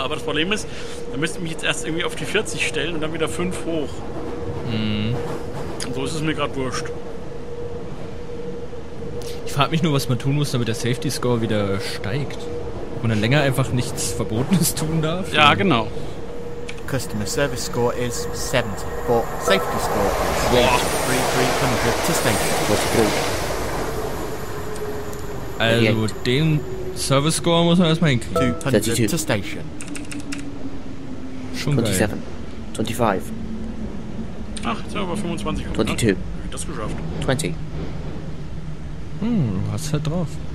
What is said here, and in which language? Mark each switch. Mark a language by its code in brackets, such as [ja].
[de] Aber das Problem ist, da müsste ich mich jetzt erst irgendwie auf die 40 stellen und dann wieder 5 hoch. Mhm. Und so ist es mir gerade wurscht. Ich frage mich nur, was man tun muss, damit der Safety Score wieder steigt. Und dann länger einfach nichts Verbotenes tun darf? Ja, genau. [en] Customer Service Score is 70, but Safety Score is 3,300 to station. [de] Also, den Service Score muss man erstmal hinkriegen. [en] 232 to station. [de] Schon 27, geil. 25. Ach, jetzt haben wir 25. 22. Das geschafft. 20. Hm, was hat drauf?